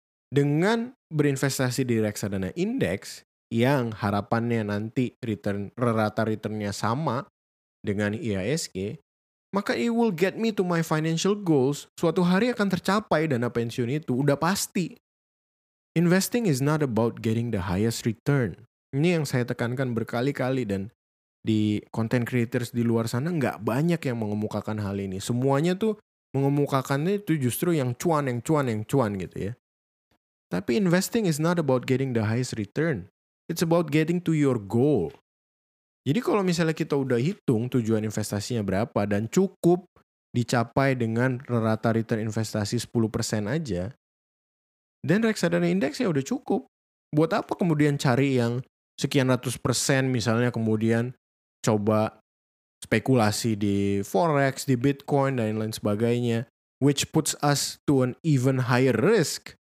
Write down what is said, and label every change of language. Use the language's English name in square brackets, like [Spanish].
[Indonesian] Dengan berinvestasi di reksadana indeks yang harapannya nanti return rata returnnya sama dengan IHSG, maka [English] it will get me to my financial goals. [Indonesian] Suatu hari akan tercapai dana pensiun itu, udah pasti. [English] Investing is not about getting the highest return. [Indonesian] Ini yang saya tekankan berkali-kali, dan di content creators di luar sana nggak banyak yang mengemukakan hal ini. Semuanya tuh mengemukakannya itu justru yang cuan, yang cuan, yang cuan gitu ya. Tapi [English] investing is not about getting the highest return. It's about getting to your goal. [Indonesian] Jadi kalau misalnya kita udah hitung tujuan investasinya berapa dan cukup dicapai dengan rata return investasi 10% aja, dan reksadana indeks ya udah cukup. Buat apa kemudian cari yang sekian ratus persen misalnya, kemudian coba spekulasi di forex, di bitcoin, dan lain sebagainya, [English] which puts us to an even higher risk.